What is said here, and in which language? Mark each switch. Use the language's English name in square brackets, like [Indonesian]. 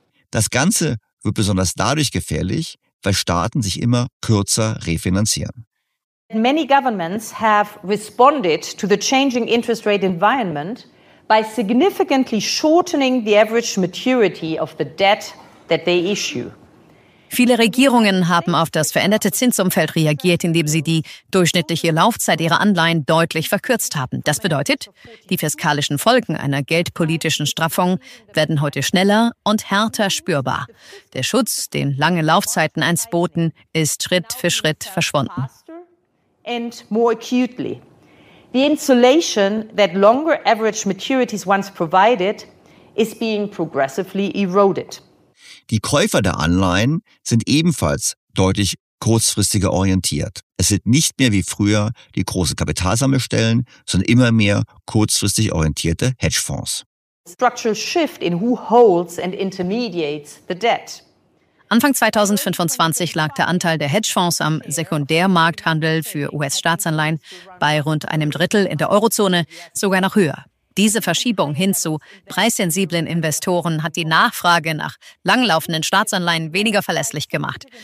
[German] Das Ganze wird besonders dadurch gefährlich, weil Staaten sich immer kürzer refinanzieren. [English] Many governments have responded to the changing interest rate environment by significantly shortening the average maturity of the debt that they issue. [German] Viele Regierungen haben auf das veränderte Zinsumfeld reagiert, indem sie die durchschnittliche Laufzeit ihrer Anleihen deutlich verkürzt haben. Das bedeutet, die fiskalischen Folgen einer geldpolitischen Straffung werden heute schneller und härter spürbar. Der Schutz, den lange Laufzeiten einst boten, ist Schritt für Schritt verschwunden. [English] And more acutely, the insulation that longer average maturities once provided is being progressively eroded. [German] Die Käufer der Anleihen sind ebenfalls deutlich kurzfristiger orientiert. Es sind nicht mehr wie früher die großen Kapitalsammelstellen, sondern immer mehr kurzfristig orientierte Hedgefonds. [English] structural shift in who holds and intermediates the debt. [German] Anfang 2025 lag der Anteil der Hedgefonds am Sekundärmarkthandel für US-Staatsanleihen bei rund einem Drittel, in der Eurozone sogar noch höher. Diese Verschiebung hin zu preissensiblen Investoren hat die Nachfrage nach langlaufenden Staatsanleihen weniger verlässlich gemacht.